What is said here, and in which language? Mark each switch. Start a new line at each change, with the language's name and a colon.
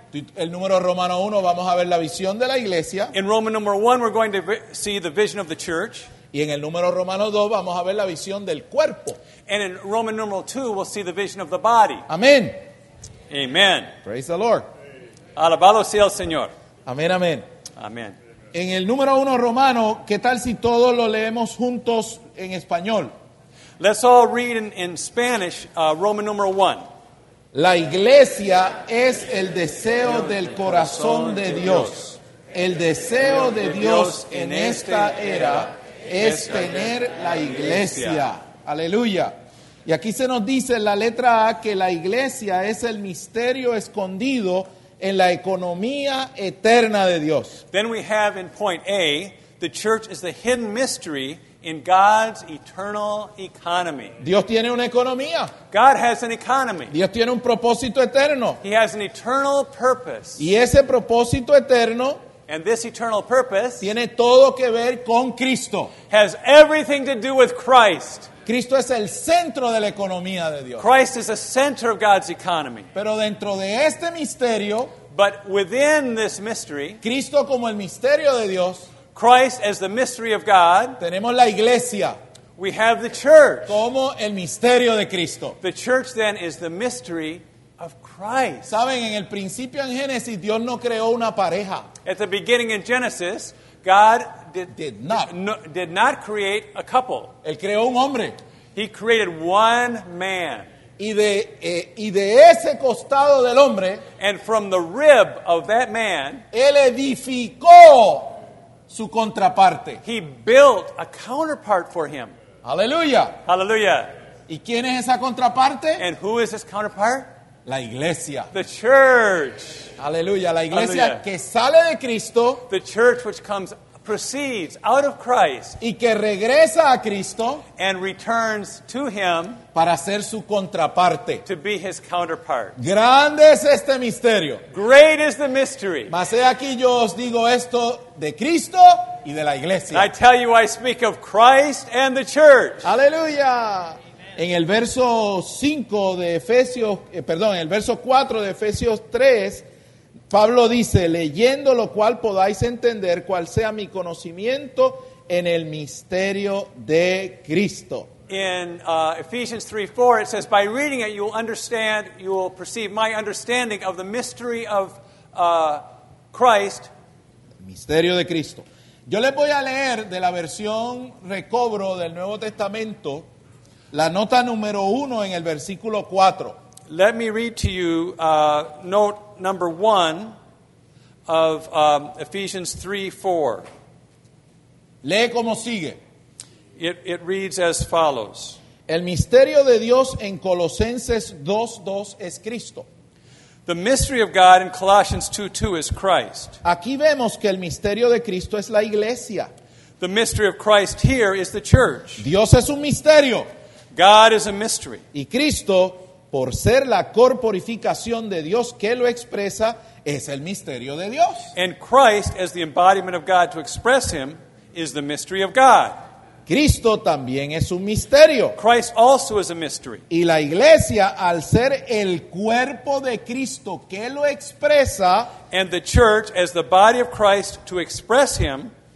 Spanish: El número romano 1 vamos a ver la visión de la iglesia.
English: In Roman number 1 we're going to see the vision of the church.
Spanish: Y en el número romano 2 vamos a ver la visión del cuerpo.
English: And in Roman numeral 2 we'll see the vision of the body.
Spanish: Amén.
English: Amen. Praise the Lord.
Spanish: Alabado sea el Señor. Amén, amén. Amén. En el número 1 romano, ¿qué tal si todos lo leemos juntos en español?
English: Let's all read in Spanish, Roman number 1.
Spanish: La iglesia es el deseo del corazón de Dios. El deseo de Dios en esta era es tener la iglesia. Aleluya. Y aquí se nos dice en la letra A que la iglesia es el misterio escondido en la economía eterna de Dios.
English: Then we have in point A, the church is the hidden mystery in God's eternal economy.
Spanish: Dios tiene una economía.
English: God has an economy.
Spanish: Dios tiene un propósito eterno.
English: He has an eternal purpose.
Spanish: Y ese propósito eterno,
English: and this eternal purpose,
Spanish: tiene todo que ver con Cristo.
English: Has everything to do with Christ.
Spanish: Cristo es el centro de la economía de Dios.
English: Christ is the center of God's economy.
Spanish: Pero dentro de este misterio,
English: but within this mystery,
Spanish: Cristo como el misterio de Dios,
English: Christ as the mystery of God,
Spanish: tenemos la iglesia.
English: We have the church.
Spanish: Como el misterio de Cristo.
English: The church then is the mystery of Christ.
Spanish: Saben, en el principio en Génesis, Dios no creó una pareja.
English: At the beginning in Genesis, God did not create a couple.
Spanish: Él creó un hombre.
English: He created one man.
Spanish: Y de ese costado del hombre,
English: and from the rib of that man,
Spanish: él edificó su contraparte.
English: He built a counterpart for him.
Spanish: Aleluya. Aleluya. ¿Y quién es esa contraparte?
English: And who is his counterpart?
Spanish: La iglesia.
English: The church.
Spanish: Aleluya. La iglesia. Aleluya. Que sale de Cristo.
English: The church which comes, proceeds out of Christ.
Spanish: Y que regresa a Cristo.
English: And returns to him.
Spanish: Para ser su contraparte.
English: To be his counterpart.
Spanish: Grande es este misterio.
English: Great is the mystery.
Spanish: Mas he aquí yo os digo esto de Cristo y de la iglesia.
English: I tell you I speak of Christ and the church.
Spanish: Aleluya. En el verso 5 de Efesios, perdón, en el verso 4 de Efesios 3, Pablo dice, leyendo lo cual podáis entender cuál sea mi conocimiento en el misterio de Cristo.
English: In Ephesians 3:4 it says, by reading it you will understand, you will perceive my understanding of the mystery of Christ.
Spanish: El misterio de Cristo. Yo les voy a leer de la versión Recobro del Nuevo Testamento, la nota número 1 en el versículo 4.
English: Let me read to you note number 1 of Ephesians 3:4.
Spanish: Lee como sigue.
English: It reads as follows.
Spanish: El misterio de Dios en Colosenses 2:2 es Cristo.
English: The mystery of God in Colossians 2:2 is Christ.
Spanish: Aquí vemos que el misterio de Cristo es la iglesia.
English: The mystery of Christ here is the church.
Spanish: Dios es un misterio.
English: God is a mystery.
Spanish: Y Cristo, por ser la corporificación de Dios que lo expresa, es el misterio de Dios.
English: And Christ, as the embodiment of God to express him, is the mystery of God.
Spanish: Cristo también es un misterio.
English: Christ also is a mystery.
Spanish: Y la iglesia, al ser el cuerpo de Cristo que lo expresa,
English: and the church, as the body of Christ to express him,